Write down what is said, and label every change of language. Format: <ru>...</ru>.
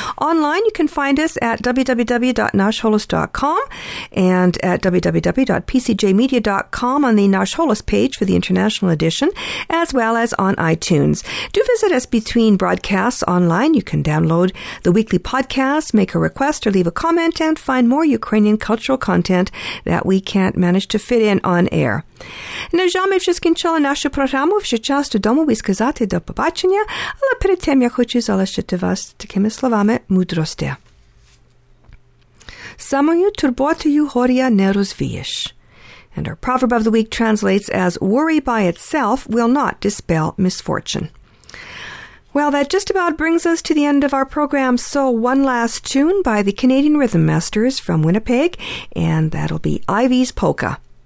<en>Online, you can find us at www.nashholos.com and at www.pcjmedia.com on the Nash Holos page for the international edition, as well as on iTunes. Do visit us between broadcasts online. You can download the weekly podcast, make a request or leave a comment, and find more Ukrainian cultural content that we can't manage to fit in on air.</en> <uk>Нажами вже скінчила нашу програму. Вже час додому і сказати до побачення. Але перед тим я хочу залишити вас такими словами мудрості. Самою турботою горя не розвієш.</uk> <en>And our proverb of the week translates as, worry by itself will not dispel misfortune. Well, that just about brings us to the end of our program. So one last tune by the Canadian Rhythm Masters from Winnipeg, and that'll be Ivy's Polka.</en>